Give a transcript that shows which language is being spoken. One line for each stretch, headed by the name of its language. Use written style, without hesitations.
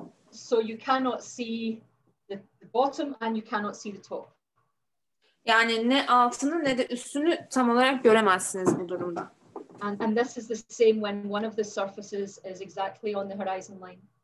English: So you cannot see the bottom and you cannot see the top.
Turkish: Yani ne altını ne de üstünü tam olarak göremezsiniz bu durumda.
English: And this is the same when one of the surfaces is exactly on the horizon line.